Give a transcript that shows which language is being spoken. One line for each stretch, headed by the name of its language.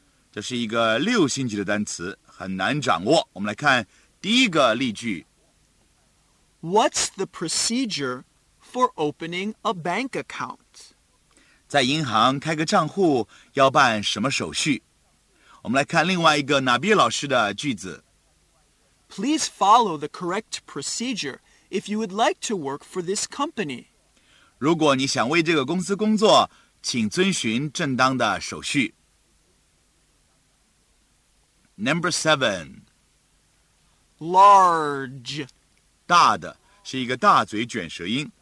Chinese: 这是一个六星级的单词，很难掌握。我们来看第一个例句。
English: What's the procedure for opening a bank account?
Chinese: 在银行开个账户要办什么手续？我们来看另外一个纳比尔老师的句子。
English: Please follow the correct procedure if you would like to work for this company.
Chinese: 如果你想为这个公司工作，请遵循正当的手续。
English: Number seven. Large.
Chinese: 大的，是一个大嘴卷舌音。